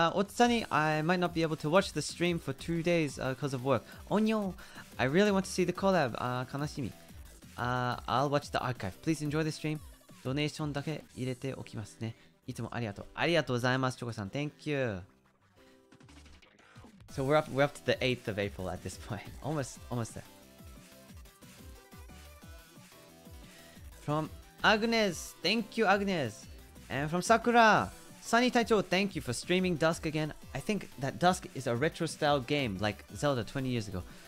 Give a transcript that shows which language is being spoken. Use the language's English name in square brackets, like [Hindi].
[English] おつさに、I might not be able to watch the stream for 2 days because of work. おにょ、I really want to see the collab. [Japanese] 悲しみ。 [English] I'll watch the archive. Please enjoy the stream. [Japanese] ドネーションだけ入れておきますね。いつもありがとう。ありがとうございます、チョコさん。 [English] Thank you. So we're up to the 8th of April at this point. Almost there. From Agnes. Thank you, Agnes. And from Sakura. Sunny Taicho, thank you for streaming Dusk again. I think that Dusk is a retro style game like Zelda 20 years ago.